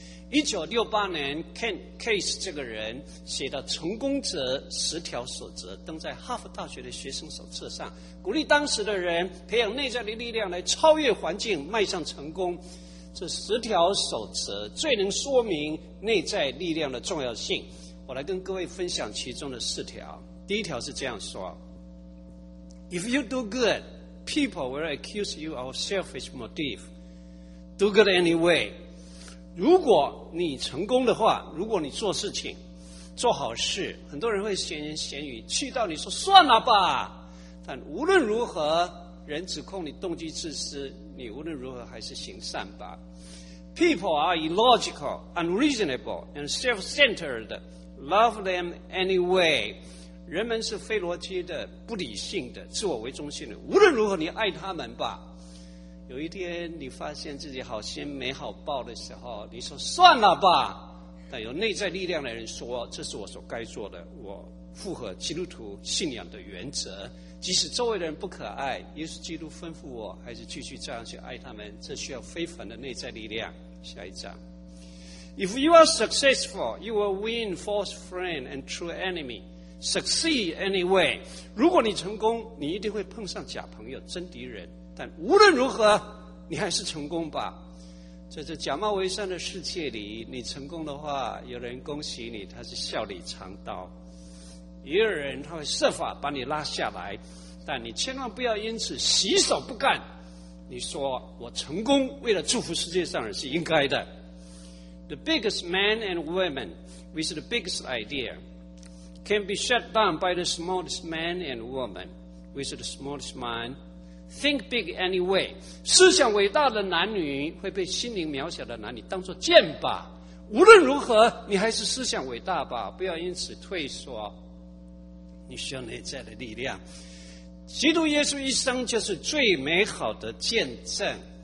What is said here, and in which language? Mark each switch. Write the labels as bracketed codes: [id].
[zh] 1968年 Ken Case 这个人写的《成功者10条守则》登在哈佛大学的学生手册上，鼓励当时的人培养内在的力量来超越环境迈向成功。这十条守则最能说明内在力量的重要性，我来跟各位分享其中的4条。第一条是这样说， [en] If you do good, people will accuse you of selfish motive. Do good anyway. [zh] 如果你成功的话，如果你做事情做好事，很多人会闲言闲语气到你说算了吧，但无论如何人指控你动机自私，你无论如何还是行善吧。 [en] People are illogical, unreasonable and self-centered. Love them anyway. [zh] 人们是非逻辑的、不理性的、自我为中心的，无论如何你爱他们吧。有一天你发现自己好心没好报的时候，你说算了吧，但有内在力量的人说，这是我所该做的，我符合基督徒信仰的原则，即使周围的人不可爱，耶稣基督吩咐我还是继续这样去爱他们，这需要非凡的内在力量。下一章， [en] If you are successful, you will win false friend and true enemy. Succeed anyway. [zh] 如果你成功，你一定会碰上假朋友、真敌人，但无论如何你还是成功吧。在这假冒为善的世界里，你成功的话，有人恭喜你，他是笑里藏刀；也有人他会设法把你拉下来，但你千万不要因此洗手不干。你说我成功，为了祝福世界上人是应该的。 [en] The biggest man and woman with the biggest idea can be shut down by the smallest man and woman with the smallest mind. Think big anyway. [zh] 思想伟大的男女会被心灵渺小的男女当作箭靶。无论如何，你还是思想伟大吧，不要因此退缩。你需要内在的力量。基督耶稣一生就是最美好的见证。